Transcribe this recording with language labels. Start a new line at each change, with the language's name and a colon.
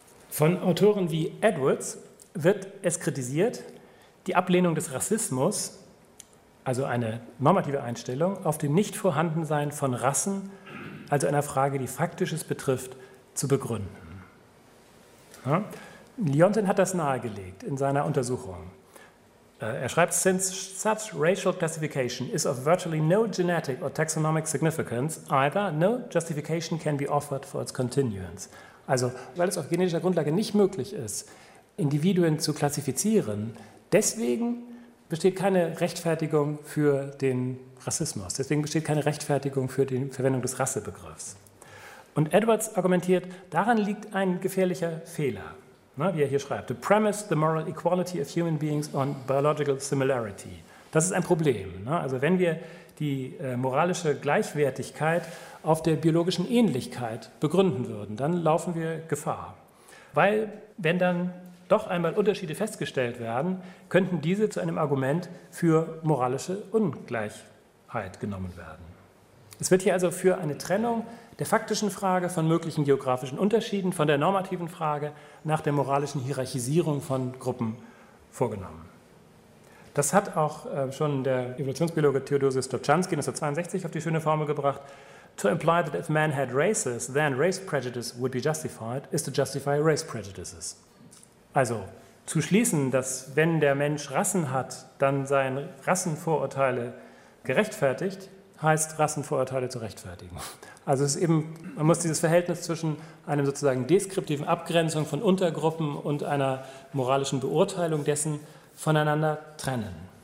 German: Von Autoren wie Edwards wird es kritisiert, die Ablehnung des Rassismus, also eine normative Einstellung, auf dem Nichtvorhandensein von Rassen, also einer Frage, die Faktisches betrifft, zu begründen. Ja. Leontin hat das nahegelegt in seiner Untersuchung.
English: Er schreibt, since such racial classification is of virtually no genetic or taxonomic significance, either no justification can be offered for its continuance.
German: Also, weil es auf genetischer Grundlage nicht möglich ist, Individuen zu klassifizieren, deswegen besteht keine Rechtfertigung für den Rassismus, deswegen besteht keine Rechtfertigung für die Verwendung des Rassebegriffs. Und Edwards argumentiert, daran liegt ein gefährlicher Fehler, ne, wie er hier schreibt.
English: The premise, the moral equality of human beings on biological similarity.
German: Das ist ein Problem. Ne? Also wenn wir die moralische Gleichwertigkeit auf der biologischen Ähnlichkeit begründen würden, dann laufen wir Gefahr. Weil wenn dann doch einmal Unterschiede festgestellt werden, könnten diese zu einem Argument für moralische Ungleichheit genommen werden. Es wird hier also für eine Trennung der faktischen Frage von möglichen geografischen Unterschieden, von der normativen Frage nach der moralischen Hierarchisierung von Gruppen vorgenommen. Das hat auch schon der Evolutionsbiologe Theodosius Dobzhansky 1962 auf die schöne Formel gebracht.
English: To imply that if man had races, then race prejudice would be justified, is to justify race prejudices.
German: Also zu schließen, dass wenn der Mensch Rassen hat, dann seien Rassenvorurteile gerechtfertigt, heißt Rassenvorurteile zu rechtfertigen. Also es ist eben, man muss dieses Verhältnis zwischen einem sozusagen deskriptiven Abgrenzung von Untergruppen und einer moralischen Beurteilung dessen voneinander trennen.